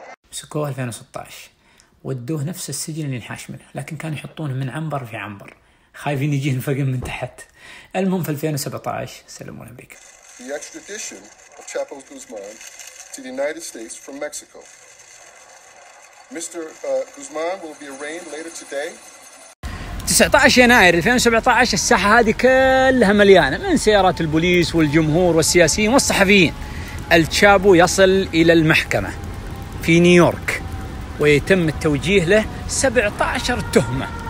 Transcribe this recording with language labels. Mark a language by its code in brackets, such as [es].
[ar] سكوه 2016 ودوه نفس السجن اللي انحاش منه، لكن كانوا يحطونه من عنبر في عنبر خايفين يجي نفقم من تحت. المهم في 2017 سلموا لأمريكا. [en] The extradition of Chapo Guzman to the United States from Mexico. Mr. Guzman will be arraigned later today. [ar] 19 يناير 2017 الساحة هذه كلها مليانة من سيارات البوليس والجمهور والسياسيين والصحفيين. التشابو يصل إلى المحكمة في نيويورك ويتم التوجيه له 17 تهمة.